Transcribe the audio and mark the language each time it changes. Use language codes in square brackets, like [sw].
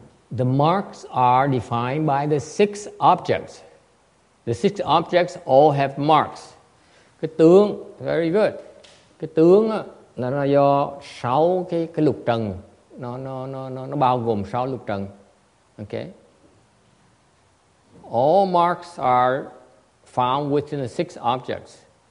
[en] The marks are defined by the six objects. The six objects all have marks. Cái tướng, very good. [vi] Cái tướng là nó do sáu cái lục trần, nó bao gồm sáu lục trần. [en] Okay. All marks are found within the six objects.